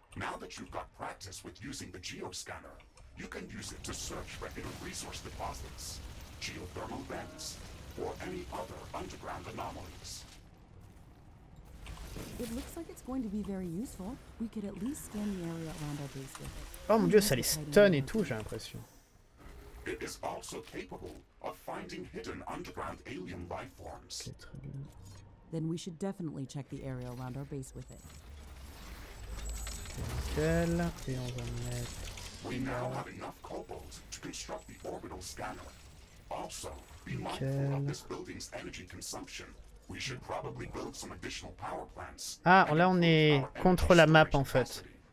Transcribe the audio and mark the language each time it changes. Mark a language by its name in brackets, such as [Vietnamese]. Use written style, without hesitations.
[English] Now that you've got practice with using the geoscanner, you can use it to search for hidden resource deposits, geothermal vents, or any other underground anomalies. It looks like it's going to be very useful. We could at least scan the area around our base with it. [French] Oh mon dieu, ça les stun et tout, j'ai l'impression. [English] It is also capable of finding hidden underground alien life forms. Okay, [French] très bien. [English] Then we should definitely check the area around our base with it. [French] Nickel. Et on va mettre. [English] We now have enough cobalt to construct the orbital scanner. Also, be mindful of this building's energy consumption. We should probably build some additional power plants. [French] Ah, là on est contre la map en fait.